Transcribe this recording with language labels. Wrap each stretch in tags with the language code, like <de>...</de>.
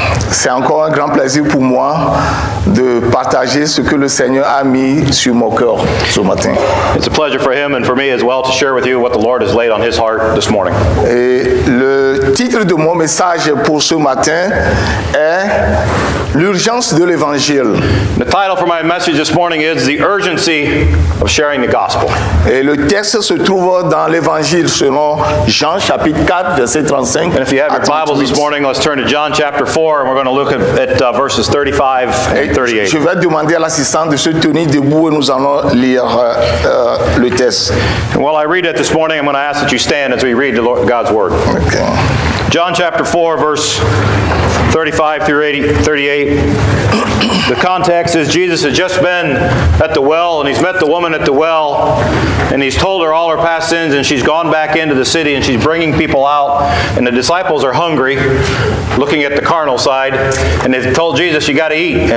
<fr>C'est encore un grand plaisir pour moi de partager ce que le Seigneur a mis sur mon cœur ce matin.</fr> <en>It's a pleasure for him and for me as well to share with you what the Lord has laid on his heart this morning.</en> <fr>Et le titre de mon message pour ce matin est l'urgence de l'évangile.</fr> <en>The title for my message this morning is the urgency of sharing the gospel.</en> <fr>Et le texte se trouve dans l'évangile selon Jean chapitre 4 verset 35.</fr> <en>And if you have your Bibles this morning, let's turn to John chapter 4 and we're going going to look at verses 35 et 38.</en> <fr>Je vais demander à l'assistant de se tenir debout et nous allons lire le texte.</fr> <en>While I read it this morning, I'm going to ask that you stand as we read the Lord, God's word. Okay. John chapter 4, verse 35 through 38. The context is Jesus has just been at the well, and he's met the woman at the well, and he's told her all her past sins, and she's gone back into the city, and she's bringing people out, and the disciples are hungry, looking at the carnal side, and they've told Jesus, you got to eat.</en>